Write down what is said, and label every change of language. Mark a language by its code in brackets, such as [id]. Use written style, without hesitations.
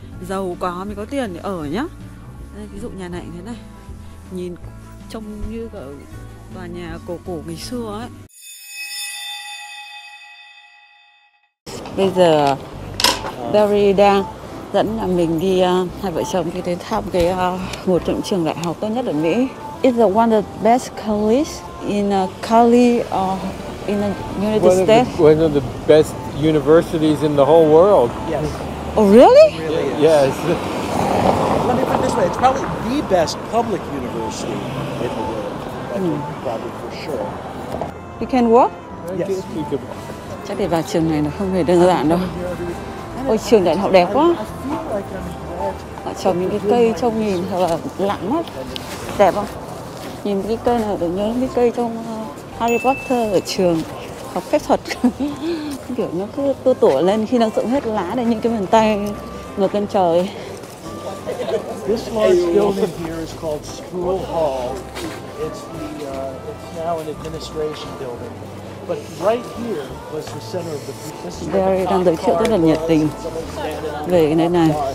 [vi] Giàu có mới có tiền để ở nhá. Đây, ví dụ nhà này thế này, nhìn trông như ở tòa nhà cổ ngày xưa ấy. Bây giờ Barry đang dẫn là mình đi hai vợ chồng đi đến thăm cái một trong trường đại học tốt nhất ở Mỹ. [en] It's the one of the best colleges in Cali or in the United States. One of the best universities in the whole world. Yes. Oh really? Really? Yes. Yes. It's probably the best public university in the world, probably for sure. You can walk? Yes. [vi] Chắc để vào trường này nó không hề đơn giản đâu. Ôi, trường đại học đẹp quá. Họ trồng những cái cây trông nhìn thật là lặng mắt. Đẹp không? Nhìn cái cây này tôi nhớ cái cây trong Harry Potter ở trường học phép thuật. Kiểu nó cứ tu tủa lên khi nó dựng hết lá để những cái bàn tay ngược lên trời. [en] This large building here is called School Hall. It's the it's now an administration building. But right here was the center of the [vi] Barry đang giới thiệu rất là nhiệt tình về cái nơi này.